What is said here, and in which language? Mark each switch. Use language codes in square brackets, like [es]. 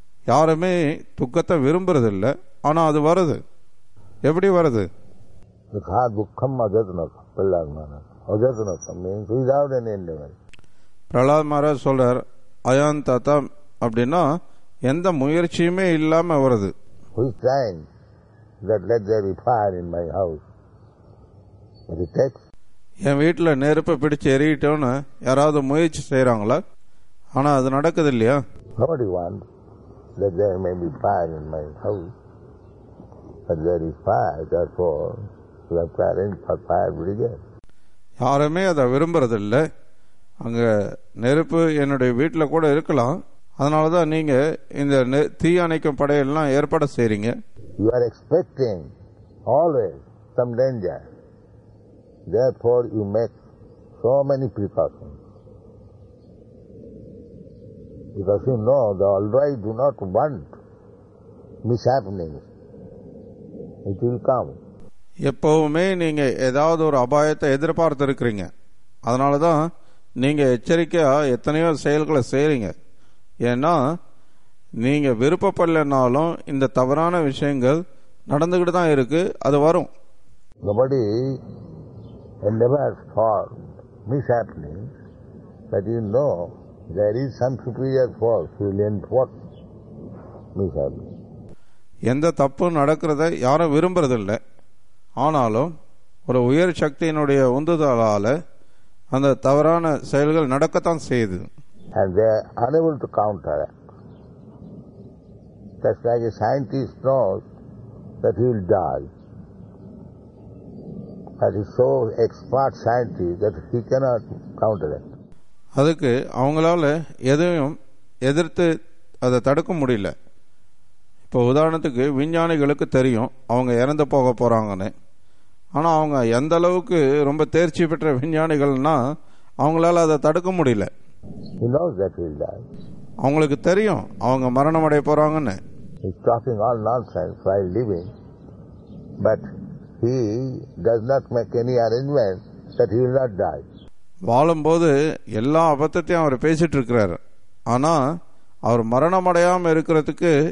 [ta] யாருமே துக்கத்தை விரும்புறது இல்ல, ஆனா அது வருது. எப்படி வருது? சுகா துக்கம் அஜதனகம் Pralhad Maharaj அஜதனகம் [en] Means without any endeavour. [ta] Pralhad Maharaj சொல்றார், அயந்தத்தம் அப்படின்னா எந்த முயற்சியுமே இல்லாம வருது. [en] Who's trying that let there be fire in my house? But it takes. [ta] என் வீட்டுல நெருப்பை பிடிச்சு எரியிட்டோன்னு யாராவது முயற்சி செய்யறாங்களா? ஆனா அது நடக்குது இல்லையா? [en] Nobody wants that there may be fire in my house. But there is fire, therefore, we have to arrange for fire brigade. [ta] யாருமே அதை விரும்புறது இல்ல. அங்க நெருப்பு என்னுடைய வீட்டுல கூட இருக்கலாம், அதனாலதான் நீங்க இந்த தீ அணைக்கும் படையெல்லாம் ஏற்பாடு செய்யறீங்க. [en] You are expecting always some danger. Therefore, you make so many precautions. Because you know that although I do not want mishappenings, it will come. [ta] எப்பவுமே நீங்க ஏதாவது ஒரு அபாயத்தை எதிர்பார்த்து இருக்கிறீங்க, அதனாலதான் நீங்க எச்சரிக்கையா எத்தனையோ செயல்களை செய்யறீங்க. ஏன்னா நீங்க விருப்பப்படலைனாலும் இந்த தவறான விஷயங்கள் நடந்துகிட்டு தான் இருக்கு, அது வரும். [en] Nobody endeavors for mishappening, but you know there is some superior force who will enforce mishappening. [ta] எந்த தப்பு நடக்கிறத யாரும் விரும்புறதில்லை, ஆனாலும் ஒரு உயர் சக்தியினுடைய உந்துதலால அந்த தவறான செயல்கள் நடக்கத்தான் செய்யுது. [en] And they are unable to counter it. Just like a scientist knows that he will die. But he is so expert scientist that he cannot counter it. [ta] அதுக்கு அவங்களால எதையும் எதிர்த்து அதை தடுக்க முடியல. இப்போ உதாரணத்துக்கு விஞ்ஞானிகளுக்கு தெரியும் அவங்க இறந்து போக போறாங்கன்னு. ஆனா அவங்க எந்த அளவுக்கு ரொம்ப தேர்ச்சி பெற்ற விஞ்ஞானிகள்னா அவங்களால அதை தடுக்க முடியல. [en] He knows that he'll die. [ta] அவங்களுக்கு தெரியும் அவங்க மரணம் அடைய போறாங்கன்னு. [en] He's talking all nonsense while living, but he does not make any arrangement that he will not die. [ta] வாழும்போது எல்லா அபத்தத்தையும் அவர் பேசிட்டு இருக்கிறார், ஆனா அவர் மரணம் அடையாம இருக்கிறதுக்கு